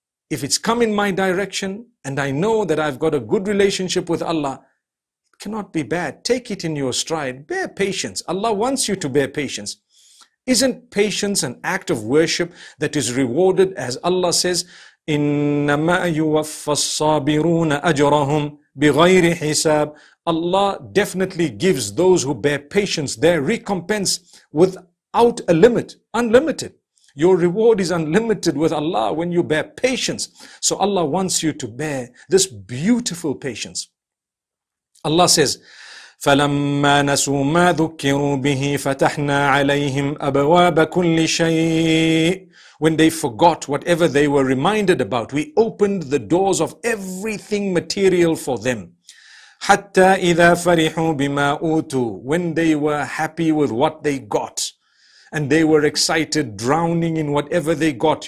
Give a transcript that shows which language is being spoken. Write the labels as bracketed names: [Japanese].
[English] If it's come in my direction and I know that I've got a good relationship with Allah, it cannot be bad. Take it in your stride. Bear patience. Allah wants you to bear patience. Isn't patience an act of worship that is rewarded, as Allah says, [Arabic] إنما يوفى الصابرون أجرهم بغير حساب. [English] Allah definitely gives those who bear patience their recompense without a limit, unlimited. Your reward is unlimited with Allah when you bear patience. So Allah wants you to bear this beautiful patience. Allah says, [Arabic] فَلَمَّا نَسُوا مَا ذُكِّرُوا بِهِ فَتَحْنَا عَلَيْهِمْ أَبْوَابَ كُلِّ شَيْءٍ. [English] When they forgot whatever they were reminded about, we opened the doors of everything material for them. [Arabic] حَتَّى إِذَا فَرِحُوا بِمَا أُوتُوا. [English] When they were happy with what they got, and they were excited, drowning in whatever they got.